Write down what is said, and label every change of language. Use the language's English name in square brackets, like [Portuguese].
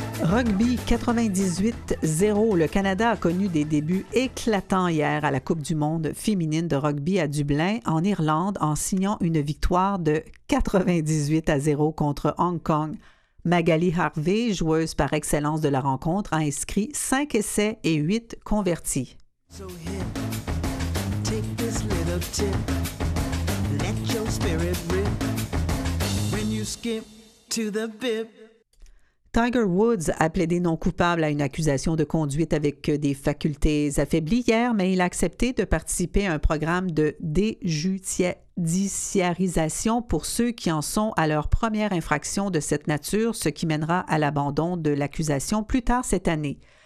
[French] Rugby 98-0, le Canada a connu des débuts éclatants hier à la Coupe du monde féminine de rugby à Dublin, en Irlande, en signant une victoire de 98-0 contre Hong Kong. Magali Harvey, joueuse par excellence de la rencontre, a inscrit 5 essais et 8 convertis. [English] So hit, take this little tip, let your spirit rip, when you skip to the bip. [French] Tiger Woods a plaidé non coupable à une accusation de conduite avec des facultés affaiblies hier, mais il a accepté de participer à un programme de déjudiciarisation pour ceux qui en sont à leur première infraction de cette nature, ce qui mènera à l'abandon de l'accusation plus tard cette année.